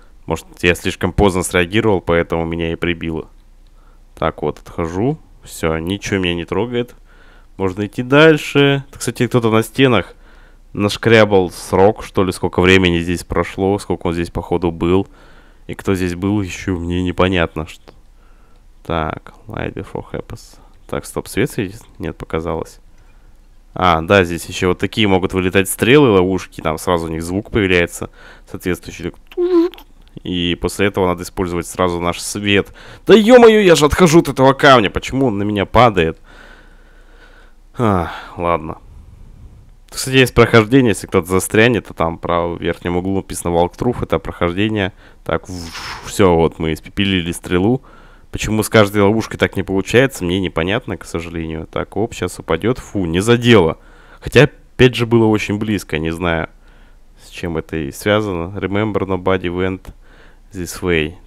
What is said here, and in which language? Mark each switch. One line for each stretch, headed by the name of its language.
Russian: Может, я слишком поздно среагировал, поэтому меня и прибило. Так, вот, отхожу. Все, ничего меня не трогает. Можно идти дальше. Так, кстати, кто-то на стенах нашкрябал срок, что ли, сколько времени здесь прошло, сколько он здесь, походу, был. И кто здесь был, еще мне непонятно. Что... Так,
English: light before happens.
Russian: Так, стоп, свет светит? Нет, показалось. А, да, здесь еще вот такие могут вылетать стрелы, ловушки. Там сразу у них звук появляется соответствующий. И после этого надо использовать сразу наш свет. Да ё-моё, я же отхожу от этого камня. Почему он на меня падает? А, ладно. Кстати, есть прохождение. Если кто-то застрянет, то там в верхнем углу написано walkthrough. Это прохождение. Так, все, вот мы испепелили стрелу. Почему с каждой ловушкой так не получается, мне непонятно, к сожалению. Так, оп, сейчас упадет. Фу, не задело. Хотя, опять же, было очень близко, не знаю, с чем это и связано.
English: Remember, nobody went this way.